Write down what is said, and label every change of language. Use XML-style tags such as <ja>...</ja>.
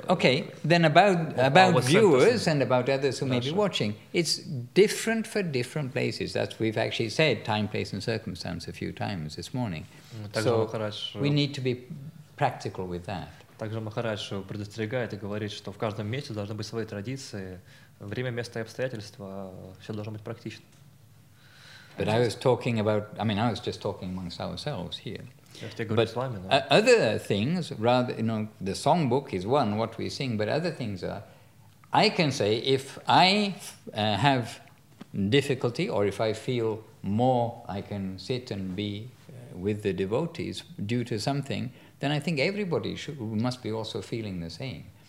<en>Okay, then about viewers and about others who may be watching. It's different for different places. That's we've actually said time, place and circumstance a few times this morning. So we need to be practical with that.</en> <ru>Также Махарадж предостерегает и говорит, что в каждом месте должны быть свои традиции, время, место и обстоятельства. Все должно быть практично.</ru> <en>But I was talking about... I mean, I was just talking amongst ourselves here. But other things, rather, you know, the songbook is one, what we sing, but other things are, I can say, if I have difficulty, or if I feel more I can sit and be with the devotees due to something, then I think everybody must be also feeling the same.</en>